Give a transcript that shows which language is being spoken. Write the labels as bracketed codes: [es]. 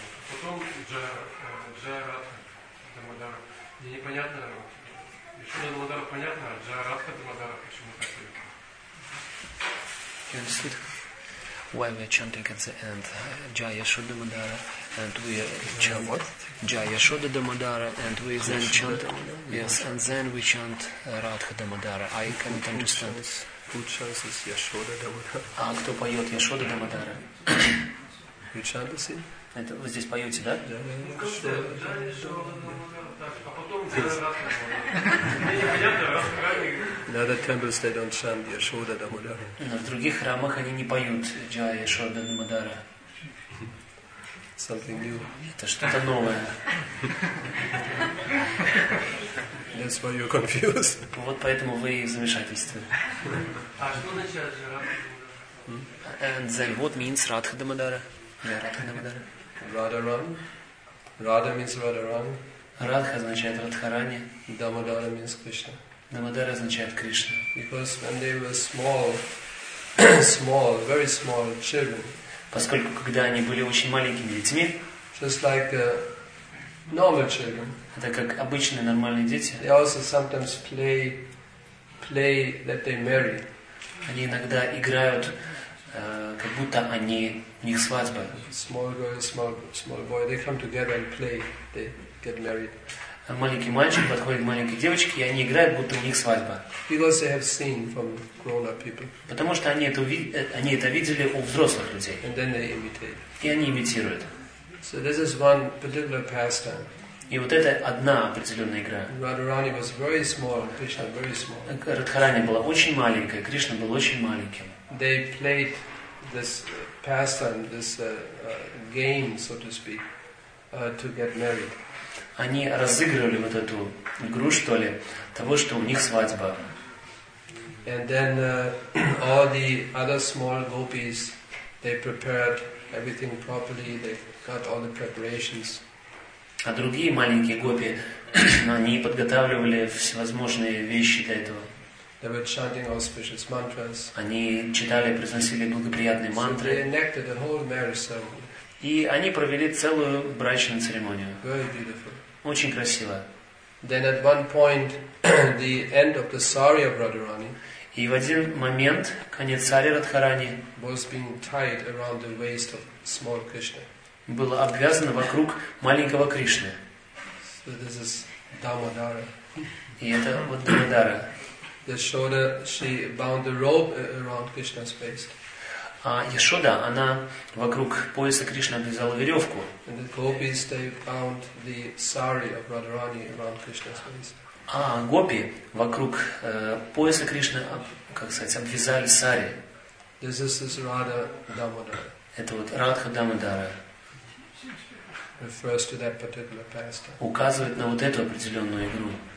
[ru] Потом джая радха. Мне непонятно, Ишода Дамодара понятно, а Джарадха Дамодара почему так понятно? [en] You understood? Why we are chanting at the end Jaya Shuddha Madara and we chant what? Jaya Shuddha Damodara and we Krishna then chant Dhamadara. Yes, and then we chant Radha Damodara. I can't understand. Who chants is Yashoda Damodara? [ru] А кто поет Yashoda Damodara? [en] You chant this in? [ru] Это вы здесь поете, да? А потом Джая Радха Дамодара. Мне непонятно, раз в храме. Но в других храмах они не поют Джая Шода Дамодара. [en] Something new. [ru] Это что-то новое. [en] That's why you're confused. [ru] Вот поэтому вы и в замешательстве. А что означает Джая Радха Дамодара? [en] And then what means Радха Дамодара? [ru] Джая Радха Дамодара. [en] Radharani. Radha means Radharani. [ru] Radha означает Радхарани. [en] Дамодара means Krishna. [ru] Дамодара означает Кришна. [en] Because when they were small, very small children. [ru] Поскольку когда они были очень маленькими детьми. [en] Just like the normal children. [ru] Это как обычные нормальные дети. [en] They also sometimes play that they marry. [ru] Они иногда играют, как будто они у них свадьба. [en] Small girl, small boy, they come together and play, they get married. [ru] А маленький мальчик подходит к маленькой девочке, и они играют, будто у них свадьба. [en] Because they have seen from grown-up people. [ru] Потому что они это видели у взрослых людей. [en] And then they imitate. [ru] И они имитируют. [en] So this is one particular pastime. [ru] И вот это одна определенная игра. [en] Radharani was very small, Krishna very small. [ru] Радхарани была очень маленькая, Кришна был очень маленьким. [en] They played this pastime, this game, so to speak, to get married. [ru] Они разыгрывали вот эту игру, что ли, того, что у них свадьба. [en] And then all the other small gopis, they prepared everything properly, they got all the preparations. [ru] А другие маленькие гопи, они подготавливали всевозможные вещи для этого. [en] They were chanting auspicious mantras. [ru] Они читали, произносили благоприятные мантры. [en] So they enacted a whole marriage ceremony. [ru] И они провели целую брачную церемонию. [en] Very beautiful. [ru] Очень красиво. [en] Then at one point, the end of the sari of Radharani. [ru] И в один момент конец сари Радхарани. [en] Was being tied around the waist of small Krishna. [ru] Было обвязано вокруг маленького Кришны. [en] So this is Damodara. [ru] И это вот Дамодара. [en] The Yashoda, she bound the robe around Krishna's waist. [ru] А Яшода, она вокруг пояса Кришны обвязала веревку. [en] And the gopis, they bound the sari of Radharani around Krishna's waist. [ru] А гопи вокруг пояса Кришны, как сказать, обвязали сари. [en] This is this Radha Damodara. [ru] Это вот Радха Дамодара. [en] Refers to that particular pastime. [ru] Указывает на вот эту определенную игру.